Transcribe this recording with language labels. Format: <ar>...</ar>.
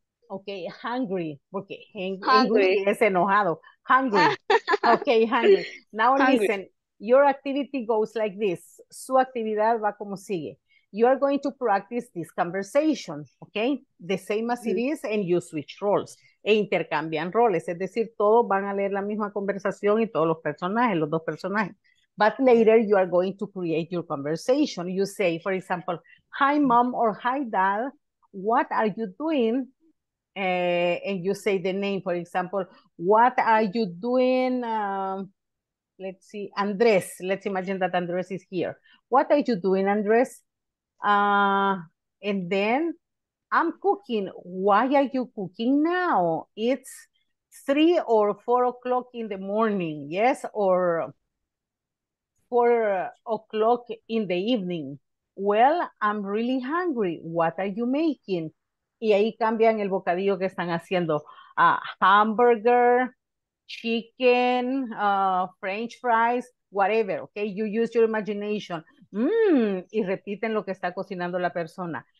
<en>Okay, hungry. Porque hungry es enojado. Hungry. Okay, hungry. Now hungry. Listen, your activity goes like this. Su actividad va como sigue. You are going to practice this conversation, okay? The same as it is, and you switch roles.</en> <es>E intercambian roles. Es decir, todos van a leer la misma conversación y todos los personajes, los dos personajes.</es> <en>But later, you are going to create your conversation. You say, for example, hi, mom, or hi, dad, what are you doing? And you say the name, for example, what are you doing? Let's see, Andres. Let's imagine that Andres is here. What are you doing, Andres? And then I'm cooking. Why are you cooking now? It's 3 or 4 o'clock in the morning, yes, or 4 o'clock in the evening. Well, I'm really hungry. What are you making?</en> <es>Y ahí cambian el bocadillo que están haciendo. Hamburger, chicken, French fries, whatever. Okay, you use your imagination. Y repiten lo que está cocinando la persona.</es>